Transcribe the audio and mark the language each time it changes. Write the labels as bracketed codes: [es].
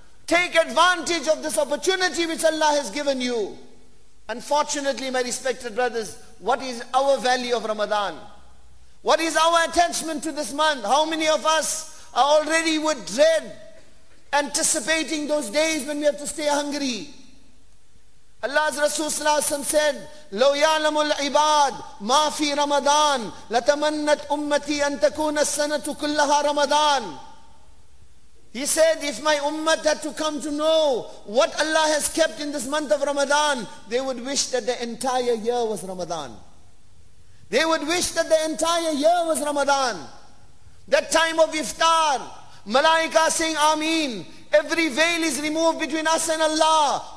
[en] Take advantage of this opportunity which Allah has given you. Unfortunately, my respected brothers, what is our value of Ramadan? What is our attachment to this month? How many of us are already with dread, anticipating those days when we have to stay hungry? [ar] Allah's Rasul sallallahu alayhi wa sallam said, لَوْ يَعْلَمُ الْعِبَادِ مَا فِي رَمَضَانِ لَتَمَنَّتْ أُمَّتِي أَن تَكُونَ السَّنَةُ كُلَّهَا رَمَضَانِ. [en] He said, if my ummah had to come to know what Allah has kept in this month of Ramadan, they would wish that the entire year was Ramadan. They would wish that the entire year was Ramadan. That time of iftar, malaika saying ameen, every veil is removed between us and Allah.